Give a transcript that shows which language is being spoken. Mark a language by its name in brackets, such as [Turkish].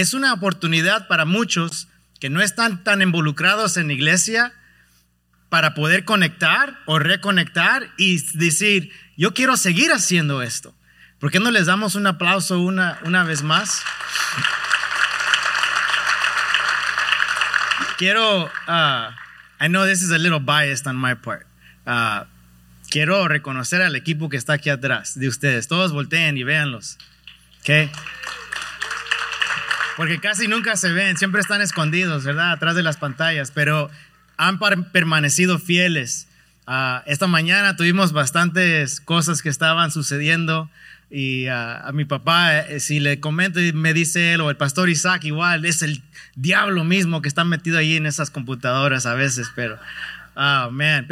[Spanish] Es una oportunidad para muchos que no están tan involucrados en la iglesia para poder conectar o reconectar y decir, yo quiero seguir haciendo esto. ¿Por qué no les damos un aplauso una vez más? [English] Quiero, I know this is a little biased on my part. [Spanish] Quiero reconocer al equipo que está aquí atrás de ustedes. Todos volteen y véanlos. ¿Okay? Porque casi nunca se ven, siempre están escondidos, ¿verdad? Atrás de las pantallas, pero han permanecido fieles. Esta mañana tuvimos bastantes cosas que estaban sucediendo y a mi papá, si le comento, me dice él, o el pastor Isaac, igual, es el diablo mismo que está metido ahí en esas computadoras a veces, pero, [English] oh, man.